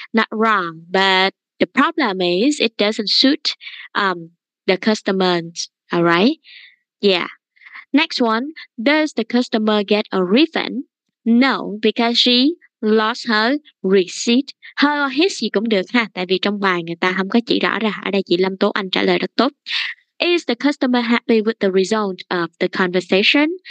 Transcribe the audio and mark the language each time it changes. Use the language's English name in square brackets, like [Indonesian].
[English] Not wrong, but the problem is it doesn't suit the customers, all right? Yeah. Next one, does the customer get a refund? No, because she lost her receipt. Her or his [Vietnamese] gì cũng được ha, tại vì trong bài người ta không có chỉ rõ ra. Ở đây chị Lâm Tố Anh trả lời rất tốt. [English] Is the customer happy with the result of the conversation?